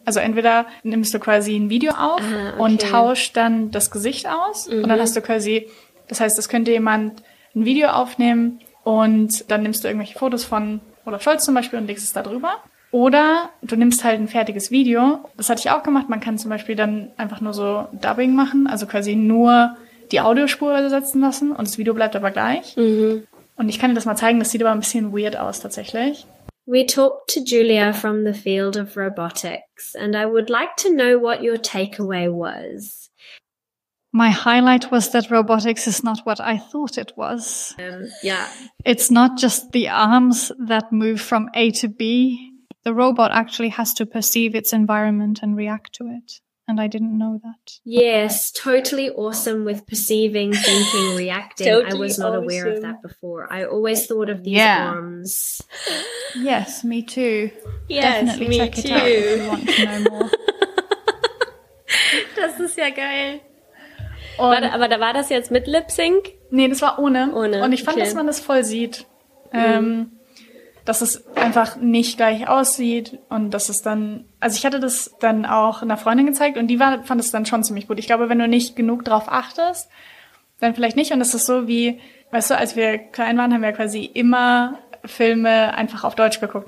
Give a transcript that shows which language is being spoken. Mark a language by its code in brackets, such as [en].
[de] Also entweder nimmst du quasi ein Video auf und tauschst dann das Gesicht aus und dann hast du quasi, das heißt, es könnte jemand ein Video aufnehmen und dann nimmst du irgendwelche Fotos von Olaf Scholz zum Beispiel und legst es da drüber. Oder du nimmst halt ein fertiges Video. Das hatte ich auch gemacht. Man kann zum Beispiel dann einfach nur so Dubbing machen, also quasi nur die Audiospur ersetzen lassen und das Video bleibt aber gleich. Mhm. Und ich kann dir das mal zeigen, das sieht aber ein bisschen weird aus tatsächlich. [en] We talked to Julia from the field of robotics, and I would like to know what your takeaway was. My highlight was that robotics is not what I thought it was. It's not just the arms that move from A to B. The robot actually has to perceive its environment and react to it. And I didn't know that. Yes, totally awesome with perceiving, thinking, reacting. Totally I was not awesome. Aware of that before. I always thought of these arms. Yes, me too. Yes, definitely me check too. It out if you want to know more. [de] Das ist ja geil. Aber da war das jetzt mit Lip-Sync? Nee, das war ohne. Ohne. Und ich fand, dass man das voll sieht. Dass es einfach nicht gleich aussieht und dass es dann, also ich hatte das dann auch einer Freundin gezeigt und fand es dann schon ziemlich gut. Ich glaube, wenn du nicht genug drauf achtest, dann vielleicht nicht. Und das ist so wie, weißt du, als wir klein waren, haben wir quasi immer Filme einfach auf Deutsch geguckt.